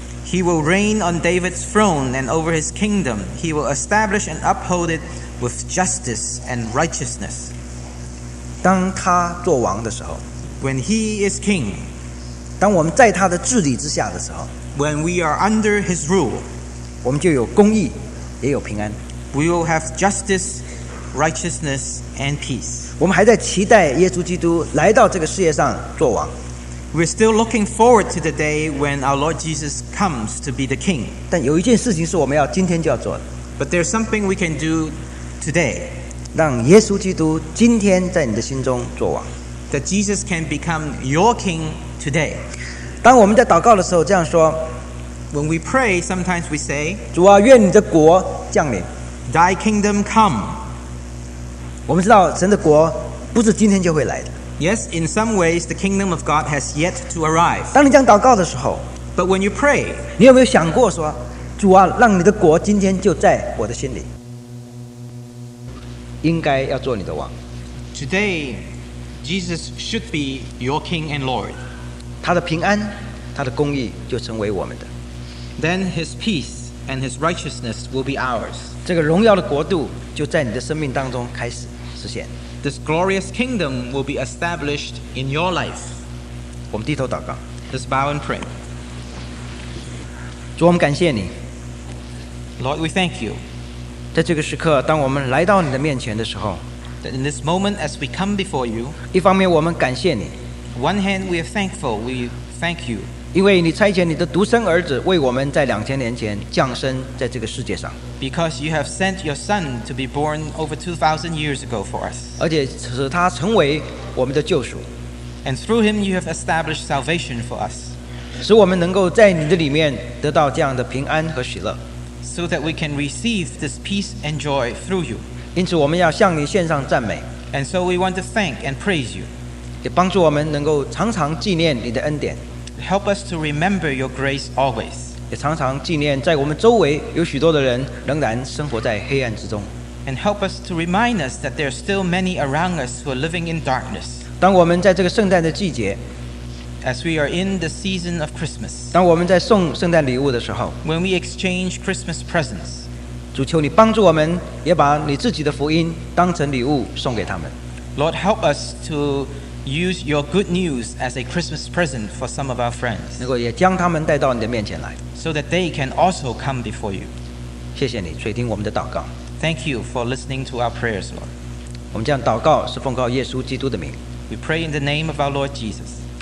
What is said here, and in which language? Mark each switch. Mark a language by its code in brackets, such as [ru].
[en] He will reign on David's throne and over his kingdom. He will establish and uphold it with justice and righteousness. [zh] 当他做王的时候, [en] when he is king, [zh] 当我们在他的治理之下的时候, [en] when we are under his rule, [zh] 我们就有公义,也有平安。 [en] We will have justice, righteousness, and peace. [zh] 我们还在期待耶稣基督来到这个世界上做王。 [en] We're still looking forward to the day when our Lord Jesus comes to be the king. [zh] 但有一件事情是我们要今天就要做的。 [en] But there's something we can do today. [zh] 让耶稣基督今天在你的心中做王。 [en] That Jesus can become your king today. [zh] 当我们在祷告的时候这样说， [en] When we pray, sometimes we say, [zh] 主啊，愿你的国降临。 [en] Thy kingdom come. [zh] 我们知道神的国不是今天就会来的。 [en] Yes, in some ways, the kingdom of God has yet to arrive. [zh] 当你这样祷告的时候， [en] But when you pray, [zh] 你有没有想过说，主啊，让你的国今天就在我的心里。应该要做你的王。 [en] Today, Jesus should be your King and Lord. [zh] 他的平安，他的公义就成为我们的。 [en] Then his peace and his righteousness will be ours. [zh] 这个荣耀的国度就在你的生命当中开始实现。 [en] This glorious kingdom will be established in your life. [zh] 我们低头祷告。 [en] Let's bow and pray. [zh] 主，我们感谢你。 [en] Lord, we thank you. [zh] 在这个时刻，当我们来到你的面前的时候， [en] That in this moment, as we come before you, [zh] 一方面我们感谢你。 [en] One hand, we are thankful. We thank you. [zh] 因为你差遣你的独生儿子为我们在2000年前降生在这个世界上。 [en] Because you have sent your son to be born over 2000 years ago for us. [zh] 而且使他成为我们的救赎。 [en] And through him you have established salvation for us. [zh] 使我们能够在你的里面得到这样的平安和喜乐。 [en] So that we can receive this peace and joy through you. [zh] 因此我们要向你献上赞美。 [en] And so we want to thank and praise you. [zh] 也帮助我们能够常常纪念你的恩典。 [en] Help us to remember your grace always. [zh] 也常常纪念在我们周围有许多的人仍然生活在黑暗之中。 [en] And help us to remind us that there are still many around us who are living in darkness. [zh] 当我们在这个圣诞的季节， [en] As we are in the season of Christmas. [zh] 当我们在送圣诞礼物的时候， [en] When we exchange Christmas presents. [zh] 主，求你帮助我们也把你自己的福音当成礼物送给他们。 [en] Lord, help us to Use your good news as a Christmas present for some of our friends. [zh] 能够也将他们带到你的面前来。 [en] So that they can also come before you. [zh] 谢谢你垂听我们的祷告。 [en] Thank you for listening to our prayers, Lord. [zh] 我们这样祷告是奉靠耶稣基督的名。 [en] We pray in the name of our Lord Jesus.